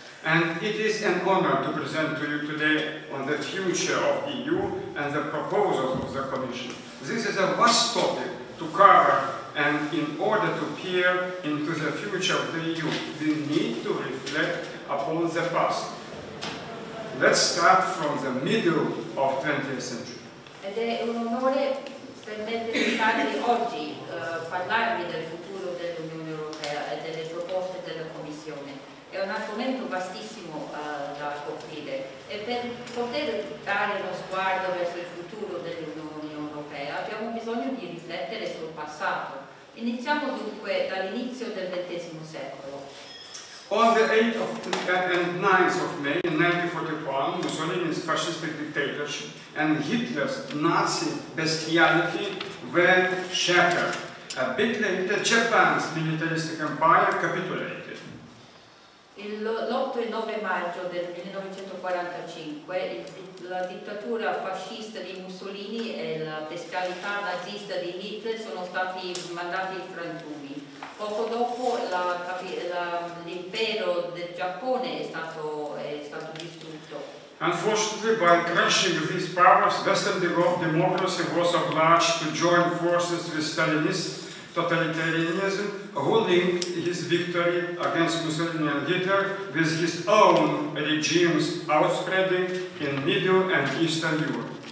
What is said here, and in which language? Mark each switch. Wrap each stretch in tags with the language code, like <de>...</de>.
<en>And it is an honor to present to you today on the future of EU and the proposals of the Commission. This is a vast topic, to cover, and in order to peer into the future of the EU, we need to reflect upon the past. Let's start from the middle of 20th century.</en> <it>Ed è un onore per me presentarvi oggi, parlarvi del futuro dell'Unione Europea e delle proposte della Commissione. È un argomento vastissimo da coprire e per poter dare uno sguardo verso il futuro dell'Unione Europea abbiamo bisogno di riflettere sul passato. Iniziamo dunque dall'inizio del XX secolo.</it> <en>On the 8th of, and 9th of May in 1941, Mussolini's fascistic dictatorship and Hitler's Nazi bestiality were shattered. A bit later, Japan's militaristic empire capitulated.</en> <it>L'8 e 9 maggio del 1945, la dittatura fascista di Mussolini e la bestialità nazista di Hitler sono stati mandati in frantumi. Poco dopo l'impero del Giappone è stato distrutto.</it> <en>Unfortunately, by crushing these powers, Western democracy was obliged to join forces with Stalinist totalitarianism, who linked his victory against Mussolini and Hitler with his own regime's outspreading in Middle and Eastern Europe.</en>